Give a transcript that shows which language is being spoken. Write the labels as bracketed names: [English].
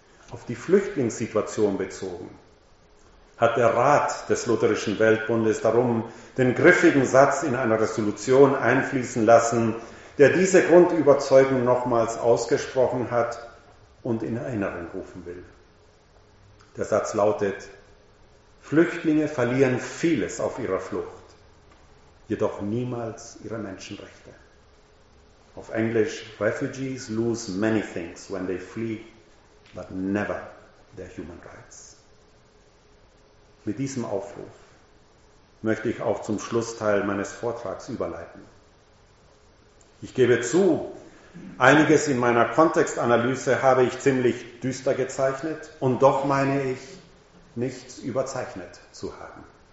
[German] Auf die Flüchtlingssituation bezogen hat der Rat des Lutherischen Weltbundes darum den griffigen Satz in einer Resolution einfließen lassen, der diese Grundüberzeugung nochmals ausgesprochen hat und in Erinnerung rufen will. Der Satz lautet: Flüchtlinge verlieren vieles auf ihrer Flucht, jedoch niemals ihre Menschenrechte. Auf Englisch: [English] Refugees lose many things when they flee, but never their human rights. [German] Mit diesem Aufruf möchte ich auch zum Schlussteil meines Vortrags überleiten. Ich gebe zu, einiges in meiner Kontextanalyse habe ich ziemlich düster gezeichnet und doch meine ich, nichts überzeichnet zu haben.